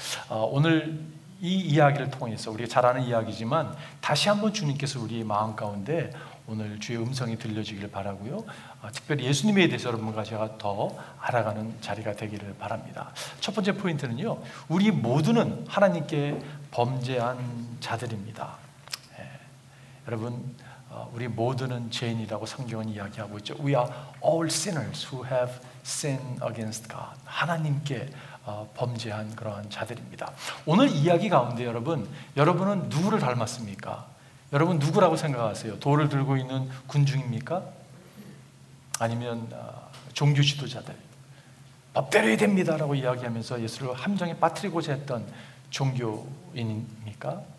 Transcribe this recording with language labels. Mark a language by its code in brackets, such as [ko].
[ko] 오늘 이 이야기를 통해서 우리가 잘 아는 이야기지만 다시 한번 주님께서 우리의 마음 가운데 오늘 주의 음성이 들려지길 바라고요. 특별히 예수님에 대해서 여러분과 제가 더 알아가는 자리가 되기를 바랍니다. 첫 번째 포인트는요. 우리 모두는 하나님께 범죄한 자들입니다. 예. 여러분 우리 모두는 죄인이라고 성경은 이야기하고 있죠. [en] We are all sinners who have sinned against God. [ko] 하나님께 범죄한 그러한 자들입니다. 오늘 이야기 가운데 여러분, 여러분은 누구를 닮았습니까? 여러분 누구라고 생각하세요? 돌을 들고 있는 군중입니까? 아니면 종교 지도자들? 법대로 해야 됩니다 라고 이야기하면서 예수를 함정에 빠뜨리고자 했던 종교인입니까?